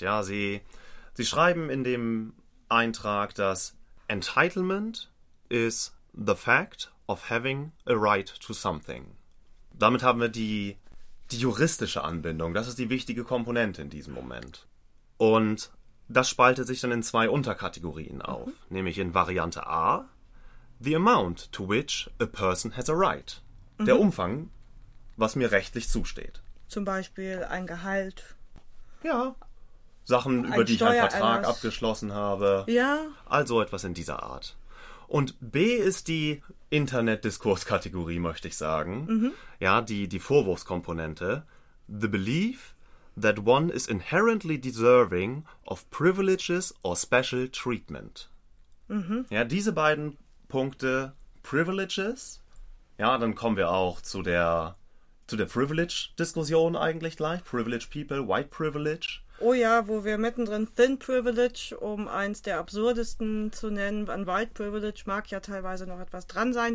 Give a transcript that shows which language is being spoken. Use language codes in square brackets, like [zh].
[de] Ja, sie schreiben in dem Eintrag, dass [en] Entitlement is the fact of having a right to something. [de] Damit haben wir die juristische Anbindung. Das ist die wichtige Komponente in diesem Moment. Und das spaltet sich dann in zwei Unterkategorien auf. Mhm. Nämlich in Variante A, [en] the amount to which a person has a right. [de] Der Umfang, was mir rechtlich zusteht. Zum Beispiel ein Gehalt. Ja. Sachen, über die ich einen Vertrag abgeschlossen habe. Ja. Also etwas in dieser Art. Und B ist die Internet-Diskurs-Kategorie, möchte ich sagen. Mhm. Ja, die Vorwurfskomponente. [en] The belief that one is inherently deserving of privileges or special treatment. Mhm. [de] Ja, diese beiden Punkte, privileges. Ja, dann kommen wir auch zu der Privilege-Diskussion eigentlich gleich. [en] Privileged people, white privilege. [de] Oh ja, wo wir mittendrin thin privilege, um eins der absurdesten zu nennen, an white privilege mag ja teilweise noch etwas dran sein.